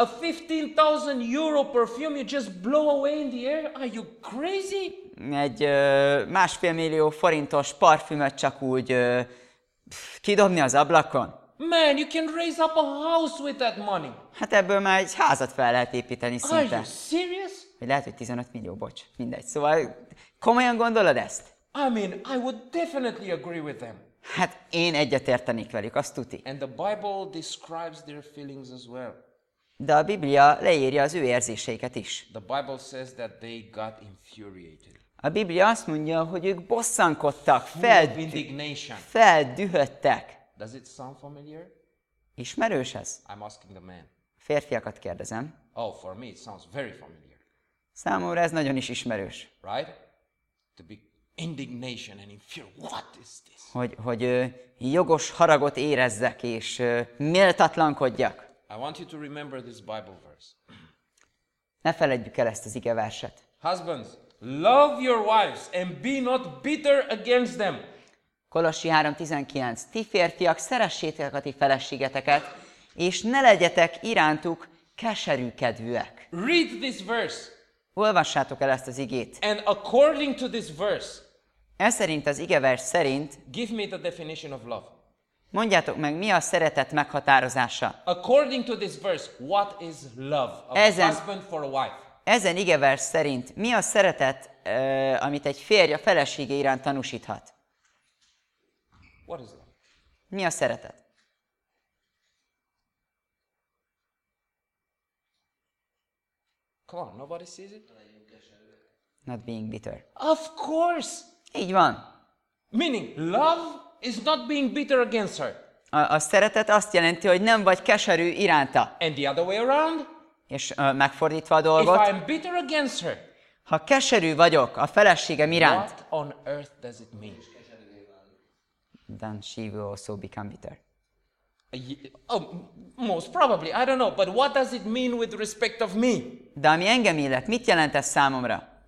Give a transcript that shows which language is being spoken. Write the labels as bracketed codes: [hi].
[en] A 15,000 euro perfume you just blow away in the air? Are you crazy? [hu] Egy másfél millió forintos parfümöt csak úgy kidobni az ablakon? [en] Man, you can raise up a house with that money. [hu] Hát ebből már egy házat fel lehet építeni szinte. [en] Are you serious? [hu] Vagy lehet, hogy 15 millió, bocs. Mindegy. Szóval komolyan gondolod ezt? [en] I mean, I would definitely agree with them. [hu] Hát én egyetértenék velük, azt tuti. [en] And the Bible describes their feelings as well. [hu] De a Biblia leírja az ő érzéseiket is. [en] The Bible says that they got infuriated. [hu] A Biblia azt mondja, hogy ők bosszankodtak, feldühödtek. [en] Does it sound familiar? [hu] Ismerős ez? [en] I'm asking the man. [hu] Férfiakat kérdezem. [en] Oh, for me it sounds very familiar. [hu] Számomra ez nagyon is ismerős. [en] Right? To be indignation and infuriation. What is this? [hu] Hogy jogos haragot érezzek és méltatlankodjak. [en] I want you to remember this Bible verse. [hu] Ne feledjük el ezt az igeverset. [en] Husbands, love your wives and be not bitter against them. [hu] Kolossi 3:19. Ti férfiak, szeressétek a ti feleségeteket, és ne legyetek irántuk keserűkedvűek. [en] Read this verse. [hu] Olvassátok el ezt az igét. [en] And according to this verse, [hu] ez szerint az igevers szerint, [en] give me the definition of love. [hu] Mondjátok meg, mi a szeretet meghatározása. [en] According to this verse, what is love? [hu] Ezen, [en] a husband for a wife. [hu] Ezen igevers szerint mi a szeretet, amit egy férj a felesége iránt tanúsíthat? [en] What is love? [hu] Mi a szeretet? [en] Come on, nobody sees it. Not being bitter. Of course. [hu] Így van. [en] Meaning, love is not being bitter against her. [hu] A szeretet azt jelenti, hogy nem vagy keserű iránta. [en] And the other way around? [hu] És megfordítva a dolgot. [en] If I'm bitter against her. [hu] Ha keserű vagyok a feleségem iránt. [en] What on earth does it mean? Then she will also become bitter. Oh, most probably, I don't know, but what does it mean with respect of me? [hu] De ami engem illet, mit jelent ez számomra?